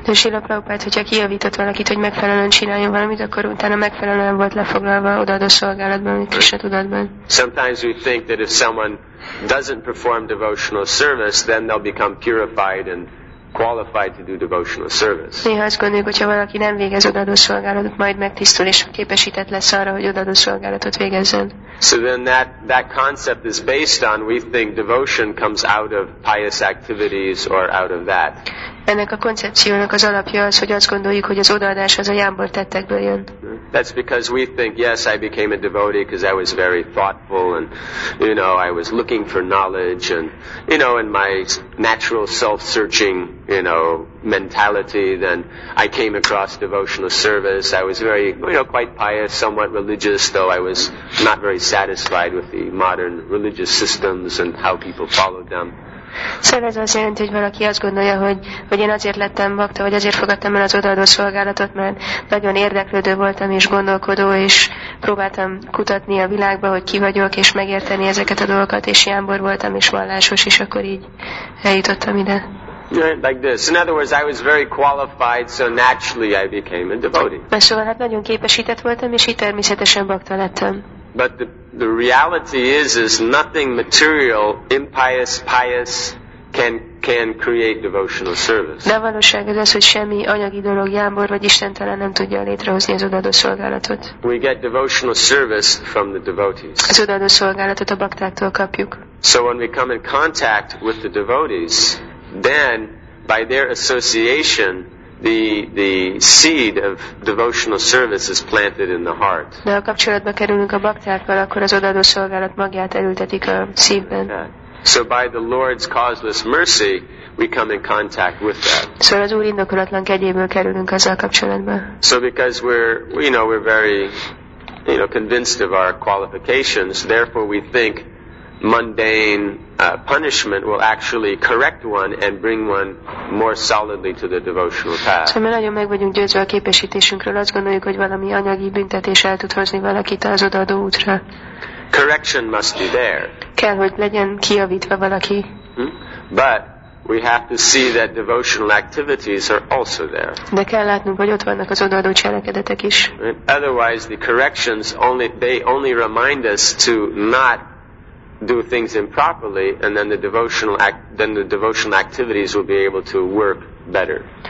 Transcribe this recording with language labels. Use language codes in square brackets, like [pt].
[hu] De Srila Prabhupada, hogyha kijavított valakit, hogy megfelelően csináljon valamit, akkor utána megfelelően volt lefoglalva odaadó szolgálatban, vagy Krisna tudatban. [en] Sometimes we think that if someone doesn't perform devotional service, then they'll become purified and qualified to do devotional service. [hu] Néha azt gondoljuk, hogyha valaki nem végez odaadó szolgálatot, majd megtisztul és képesített lesz arra, hogy odaadó szolgálatot végezzen. [en] So then that concept is based on we think devotion comes out of pious activities or out of that. [hu] Ennek a koncepciónak az alapja az, hogy azt gondoljuk, hogy az odaadás az a jámbor tettekből jön. [en] That's because we think, yes, I became a devotee because I was very thoughtful and, you know, I was looking for knowledge and, you know, in my natural self-searching, you know, mentality, then I came across devotional service. I was very, you know, quite pious, somewhat religious, though I was not very satisfied with the modern religious systems and how people followed them. [hu] Szóval ez azt jelenti, hogy valaki azt gondolja, hogy én azért lettem bakta, vagy azért fogadtam el az odaadó szolgálatot, mert nagyon érdeklődő voltam és gondolkodó, és próbáltam kutatni a világba, hogy ki vagyok, és megérteni ezeket a dolgokat, és jámbor voltam, és vallásos, és akkor így eljutottam ide. [en] Like this. In other words, I was very qualified, so naturally I became a devotee. [hu] Szóval hát nagyon képesített voltam, és így természetesen bakta lettem. [en] But the reality is nothing material, impious, pious, can can create devotional service. [hu] De a valóság az, hogy semmi anyagi dolog, jámbor vagy istentelen nem tudja létrehozni az odaadó szolgálatot. [en] We get devotional service from the devotees. [hu] Az odaadó szolgálatot a baktáktól kapjuk. [en] So when we come in contact with the devotees, then by their association, the seed of devotional service is planted in the heart. [hu] De a kapcsolatba kerülünk a baktákkal, akkor az odaadó szolgálat magját elültetik a szívben. [en] So by the Lord's causeless mercy, we come in contact with that. [hu] Szóval az Úr indokolatlan kegyéből kerülünk ezzel kapcsolatba. [en] So because we're very, you know, convinced of our qualifications, therefore we think mundane punishment will actually correct one and bring one more solidly to the devotional path. [hu] Szóval mi nagyon meg vagyunk győzve a képesítésünkről, azt gondoljuk, hogy valami anyagi büntetés el tud hozni valakit az odaadó útra. [en] Correction must be there. [hu] Kell, hogy legyen kijavítva valaki. [en] But we have to see that devotional activities are also there. [hu] De kell látnunk, hogy ott vannak az odaadó cselekedetek is. [en] Otherwise, the corrections only remind us to not do things improperly, and then the devotional activities will be able to work better.